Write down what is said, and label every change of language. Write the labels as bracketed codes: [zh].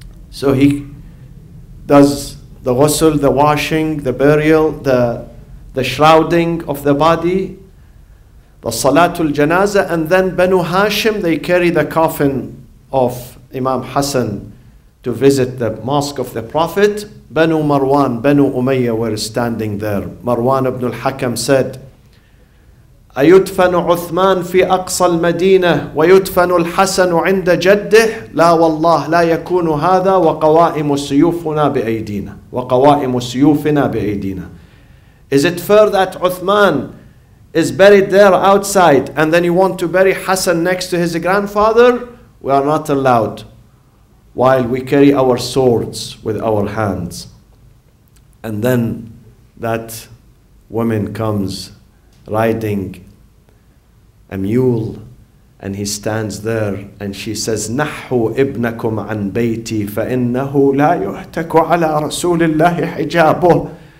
[en] So he does the ghusl, the washing, the burial, the shrouding of the body, the salatul janazah, and then Banu Hashim, they carry the coffin of Imam Hassan to visit the mosque of the Prophet. Banu Marwan, Banu Umayyah were standing there. Marwan ibn al-Hakam said, [ar] أَيُدْفَنُ عُثْمَانُ فِي أَقْصَى الْمَدِينَةِ وَيُدْفَنُ الْحَسَنُ عِنْدَ جَدِّهِ لَا وَاللَّهِ لَا يَكُونُ هَذَا وَقَوَائِمُ سُيُوفُنَا بِأَيْدِينَا وَقَوَائِمُ سُيُوفِنَا بِأَيْدِينَا. [en] Is it fair that Uthman is buried there outside and then you want to bury Hassan next to his grandfather? We are not allowed while we carry our swords with our hands. And then that woman comes riding a mule and he stands there and she says, [ar] نَحُوا إِبْنَكُمْ عَنْ بَيْتِي فَإِنَّهُ لَا يُهْتَكُ عَلَىٰ رَسُولِ اللَّهِ حِجَابُهُ.